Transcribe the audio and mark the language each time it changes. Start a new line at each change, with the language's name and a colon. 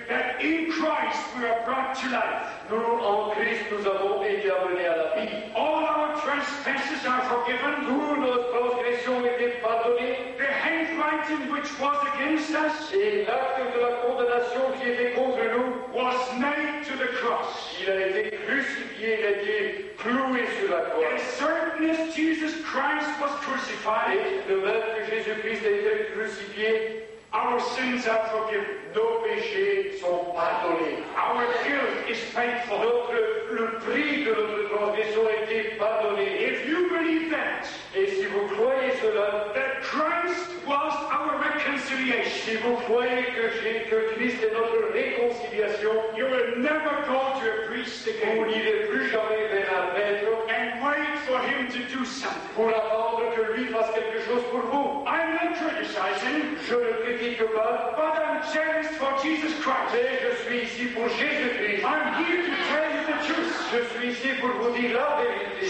English: that in Christ we are brought to life.
French: Nous, en Christ, nous avons été amenés à la vie.
English: All our transgressions are forgiven.
French: Toutes nos transgressions ont été pardonnées.
English: The handwriting which was against us,
French: et l'acte de la condamnation qui était contre nous,
English: was nailed to the cross.
French: Il a été crucifié, il a été cloué sur la croix.
English: As certain as Jesus Christ was crucified,
French: et de même que Jésus-Christ a été crucifié,
English: our sins are forgiven.
French: Nos péchés sont pardonnés.
English: Our guilt is paid for.
French: Le prix de notre transgression a été pardonné.
English: If you believe that,
French: et si vous croyez cela,
English: that Christ was our reconciliation,
French: si vous croyez que Christ est notre réconciliation,
English: you will never go to a priest again.
French: Vous n'irez plus jamais vers un maître.
English: And wait for him to do something.
French: Pour attendre que lui fasse quelque chose pour vous.
English: I'm not criticizing.
French: Je ne critique pas.
English: But I'm jealous for Jesus Christ.
French: Mais je suis ici pour Jésus-Christ.
English: I'm here to tell you the truth.
French: Je suis ici pour vous dire la vérité.